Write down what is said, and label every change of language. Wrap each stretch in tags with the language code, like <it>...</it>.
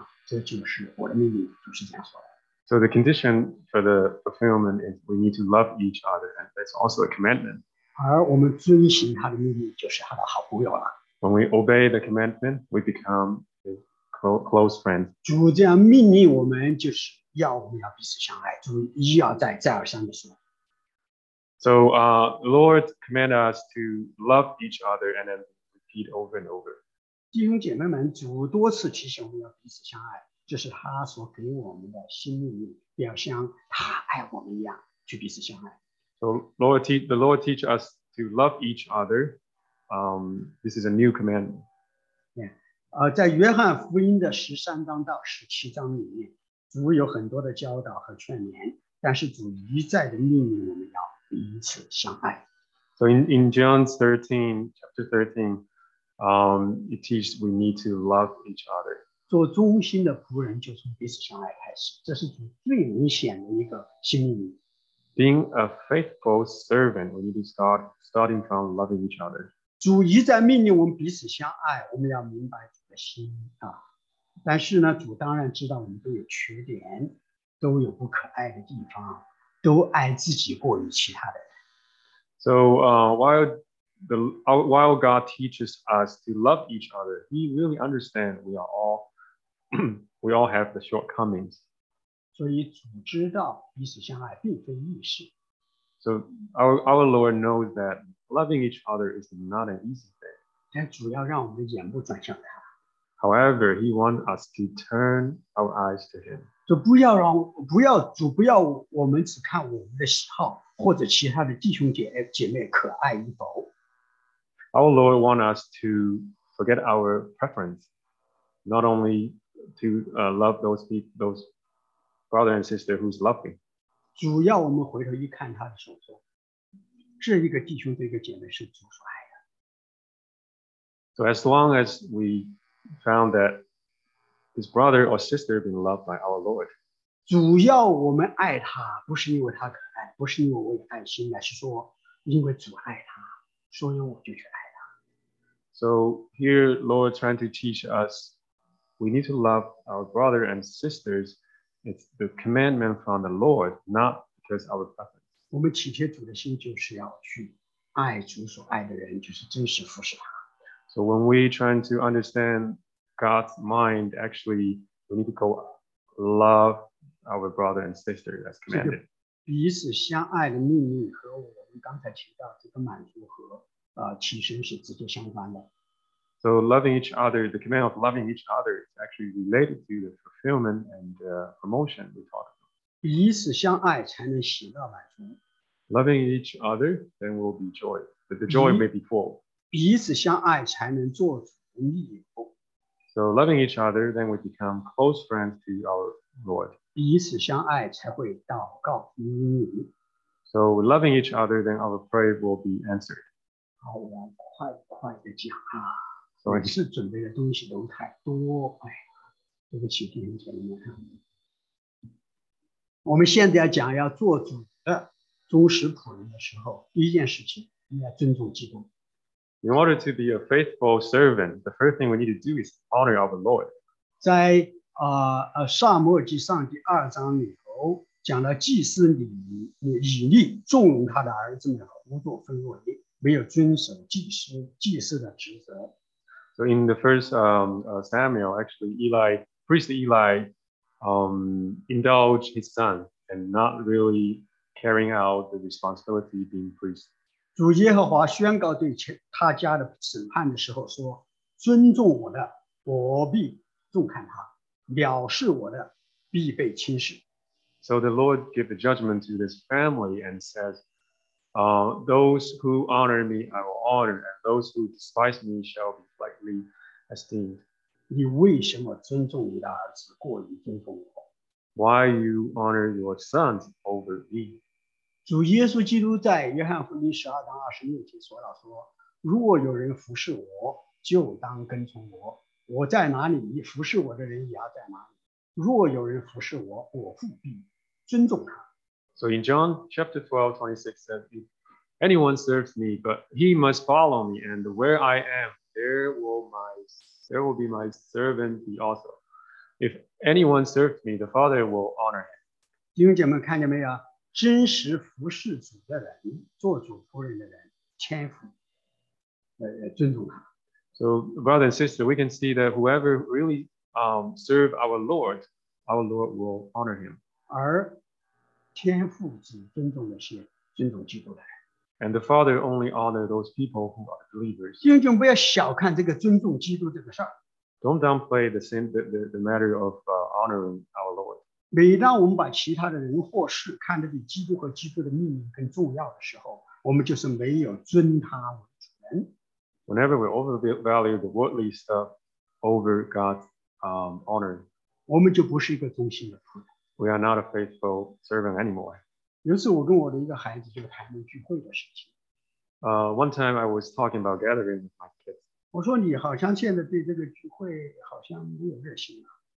<zh>而这一个所有的满足乃是和一个条件在一起，这个命令在一起，就是要我们彼此相爱，像我爱你们一样，这就是我的命令，就是这样说的。</zh> <en>So the condition for the fulfillment is we need to love each other, and that's also a commandment.</en> <zh>而我们遵行他的命令，就是他的好朋友了。</zh> <en>When we obey the commandment, we become a close friend.</en> <zh>主这样命令我们，就是要我们要彼此相爱，主一而再，再而三的说。</zh> <en>So Lord command us to love each other and then repeat over and over.</en> <zh>弟兄姐妹们，主多次提醒我们要彼此相爱，这是他所给我们的新命令。表像他爱我们一样去彼此相爱。</zh> <en>So Lord, the Lord teach us to love each other. This is a new commandment. Yeah.</en> <zh>在约翰福音的十三章到十七章里面，主有很多的教导和劝勉，但是主一再的命令我们要彼此相爱。</zh> <en>So in John's 13, chapter 13, it teaches we need to love each other.</en> <zh>做忠心的仆人就从彼此相爱开始，这是主最明显的一个新命令。</zh> <en>Being a faithful servant, we need to starting from loving each other.</en> <zh>主一再命令我们彼此相爱，我们要明白主的心啊。但是呢，主当然知道我们都有缺点，都有不可爱的地方，都爱自己过于其他的。</zh> <en>So while God teaches us to love each other, He really understands we are all we all have the shortcomings.</en> <zh>所以主知道彼此相爱并非易事。</zh> <en>So our Lord knows that loving each other is not an easy thing.</en> <zh>但主要让我们眼目转向他。</zh> <en>However, He wants us to turn our eyes to Him.</en> <zh>就不要让不要主不要我们只看我们的喜好。或者其他的弟兄姐妹可爱与否。</zh> <en>Our Lord wants us to forget our preference, not only to love those brother and sister who's lovely.</en> <zh>主要我们回头一看他的手作，这一个弟兄这个姐妹是主所爱的。</zh> <en>So as long as we found that his brother or sister been loved by our Lord.</en> <zh>主要我们爱他，不是因为他可爱，不是因为我有爱心，而是说因为主爱他，所以我就去爱他。</zh> <en>So here, Lord trying to teach us, we need to love our brother and sisters. It's the commandment from the Lord, not because of our preference.</en> <zh>我们体贴主的心就是要去爱主所爱的人，就是真实服侍他。</zh> <en>So when we trying to understand God's mind, actually, we need to go love. Our brother and sister, as commanded.</en> <zh>彼此相爱的命令和我们刚才提到这个满足和提升是直接相关的。</zh> <en>So loving each other, the command of loving each other is actually related to the fulfillment and promotion we talked about.</en> <zh>彼此相爱才能喜乐满足。</zh> <en>Loving each other, then will be joy. But the joy may be full.</en> <zh>彼此相爱才能做主义友。</zh> <en>So loving each other, then we become close friends to our Lord.</en> <zh>彼此相爱才会祷告应允。</zh> <en>So loving each other, then our prayer will be answered.</en> <zh>好，我快快的讲啊！我是准备的东西都太多，哎，对不起弟兄姐妹们。我们现在讲要做主的忠实仆人的时候，第一件事情，你要尊重基督。</zh> <en>In order to be a faithful servant, the first thing we need to do is honor our Lord.</en> <zh>在撒母耳记上第二章里头讲了祭司以利纵容他的儿子们胡作非为，没有遵守祭司的职责。</zh> <en>So in the first Samuel, actually Eli, priest Eli, indulged his son and not really carrying out the responsibility being priest.</en> <zh>主耶和华宣告对他家的审判的时候说：“尊重我的，我必重看他。” 藐视我的必被轻视。</zh> <en>So the Lord gave the judgment to this family and says, those who honor me, I will honor, and those who despise me shall be lightly esteemed.</en> <zh>你为什么尊重你的儿子过于尊重我？</zh> <en>Why you honor your sons over me?</en> <zh>主耶稣基督在约翰福音十二章二十六节说到说，如果有人服侍我，就当跟从我。我在哪里，你服侍我的人也要在哪里。若有人服侍我，我父必尊重他。</zh> <en>So in John chapter 12, 26 says, if anyone serves me, but he must follow me, and where I am, there will be my servant be also. If anyone serves me, the Father will honor him.</en> <zh>弟兄姐妹看见没有？真实服侍主的人，做主仆人的人，谦服，尊重他。</zh> <en>So, brother and sister, we can see that whoever really serve our Lord will honor him.</en> <zh>而天父只尊重那些尊重基督的人。</zh> <en>And the Father only honors those people who are believers.</en> <zh>弟兄不要小看这个尊重基督这个事儿。</zh> <en>Don't downplay the matter of honoring our Lord.</en> <zh>每当我们把其他的人或事看得比基督和基督的命令更重要的时候，我们就是没有尊他为主人。</zh> <en>Whenever we overvalue the worldly stuff over God's honor,</en> <zh>我们就不是一个忠心的仆人。</zh> <en>We are not a faithful servant anymore.</en> <zh>有时我跟我的一个孩子就谈论聚会的事情。</zh> <en>One time I was talking about gathering with my kids.</en> <zh>我说你好像现在对这个聚会好像没有热心了。</zh>